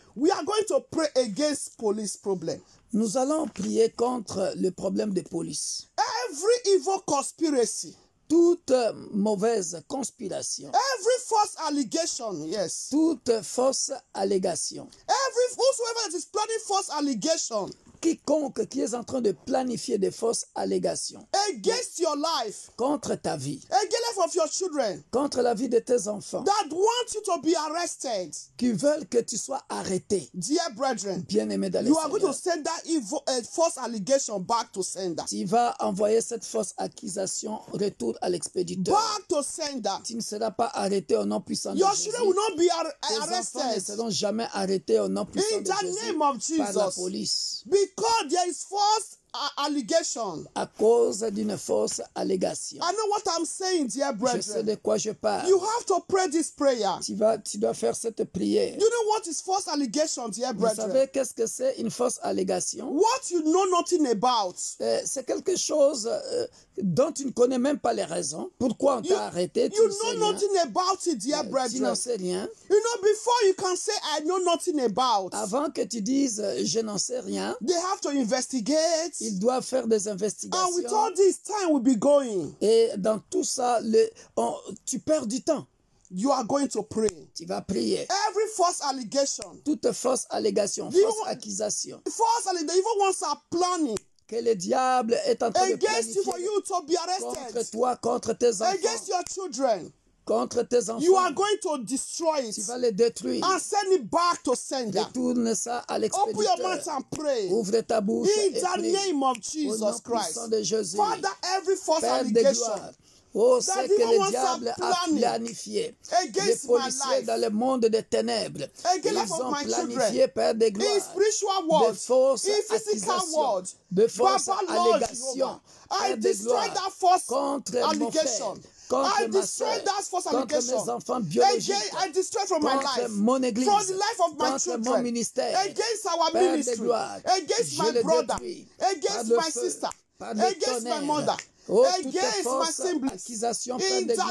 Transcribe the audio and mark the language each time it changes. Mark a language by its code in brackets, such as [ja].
[en] We are going to pray against police problem. [fr] Nous allons prier contre le problème de police. [en] Every evil conspiracy. [fr] Toute mauvaise conspiration. [en] Every false allegation, yes. [fr] Toute fausse allégation. [en] Every whosoever is planning false allegation. [fr] Quiconque qui est en train de planifier des fausses allégations. [en] Against your life. [fr] Contre ta vie. [en] Against life of your children. [fr] Contre la vie de tes enfants. [en] That want you to be arrested. [fr] Qui veulent que tu sois arrêté. [en] Dear brethren. [fr] Bien-aimés dans le Seigneur. [en] You are going to send that false allegation back to sender. [fr] Tu vas envoyer cette fausse accusation retour à l'expéditeur. [en] Back to sender. [fr] Tu ne seras pas arrêté au nom puissant de [en] your [fr] Jésus. [en] Your children will not be arrested. [fr] Tes enfants ne seront jamais arrêtés au nom puissant [en] in [fr] de Jésus. [en] In the name of Jesus. [fr] Par la police. [en] Because there is false allegation. [fr] À cause d'une fausse allégation. [en] I know what I'm saying, dear brethren. [fr] Je sais de quoi je parle. [en] You have to pray this prayer. [fr] Tu dois faire cette prière. [en] You know what is false allegation, dear brethren? [fr] Vous savez qu'est-ce que c'est une fausse allégation? [en] What you know nothing about. [fr] C'est quelque chose dont tu ne connais même pas les raisons. Pourquoi on t'a arrêté? [en] You know nothing about it, dear brethren. [fr] Tu n'en sais rien. [en] You know, before you can say I know nothing about. [fr] Avant que tu dises je n'en sais rien. [en] They have to investigate. [fr] Ils doivent faire des investigations. [en] And with all this time we'll be going. [fr] Et dans tout ça, tu perds du temps. [en] You are going to pray. [fr] Tu vas prier. [en] Every false allegation. [fr] Toute fausse allégation, fausse accusation. [en] False allegation, even ones are planning. [fr] Que le diable est en train [en] against [fr] de planifier. [en] You to be arrested. [fr] Contre toi, contre tes enfants. [en] Against your children. [fr] Contre tes enfants. [en] You are going to destroy it. [fr] Tu vas les détruire. [en] And send it back to sender. [fr] Retourne ça à l'expéditeur. [en] Open your mouth and pray. [fr] Ouvre ta bouche [en] in the name of Jesus Christ. [fr] Au nom puissant de Jésus. [en] Father, every false allegation. [fr] Oh, c'est que le diable a planifié. Les policiers dans le monde des ténèbres, ils ont planifié, Père des gloires, de fausses accusations, de fausses allégations, Père des gloires, contre mon frère. [en] I destroy that false allegation. Again, I destroy from my life. [fr] Mon église, [en] from the life of my children. Against our ministry. [fr] Gloire, [en] against my brother. Against my sister. Against my mother. Oh, against my siblings. In the